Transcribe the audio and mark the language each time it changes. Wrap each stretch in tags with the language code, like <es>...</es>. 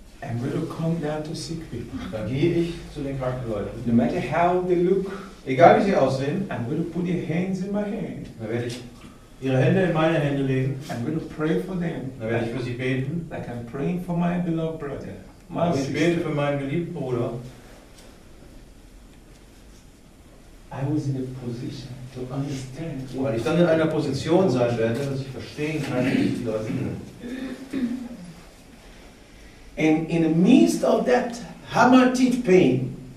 <en>I'm going to come down to sick people.</en> <de>Dann gehe ich zu den kranken Leuten.</de> <en>No matter how they look,</en> <de>egal wie sie aussehen,</de> <en>I'm going to put your hands in my hand.</en> <de>Dann werde ich ihre Hände in meine Hände legen.</de> <en>I'm going to pray for them.</en> <de>Dann werde ich für sie beten.</de> <en>Like I'm praying for my beloved brother.</en> <de>Ich bete für meinen geliebten Bruder.</de> <en>I was in a position to understand.</en> <de>Weil ich dann in einer Position sein werde, dass ich verstehen kann, wie ich die Leute sehen.</de> <en>And in the midst of that hammer teeth pain,</en>